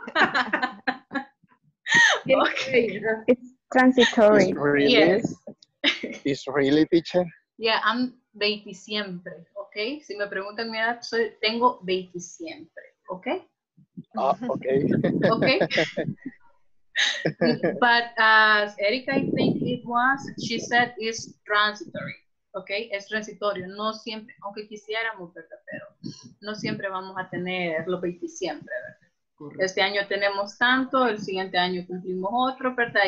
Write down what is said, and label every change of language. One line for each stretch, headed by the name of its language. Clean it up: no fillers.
English: Okay. It's transitory. It's really, yes. It's really, teacher. Yeah, I'm 20 siempre, okay?
Spanish: Si me preguntan mi edad, soy, tengo 20 siempre, okay? Okay. Okay.
English: But Erika, I think it was, she said it's transitory, okay?
Spanish: Es transitorio, no siempre, aunque quisiéramos, ¿verdad? Pero no siempre vamos a tener los 20 siempre, ¿verdad? Este año tenemos tanto, el siguiente año cumplimos otro, ¿verdad?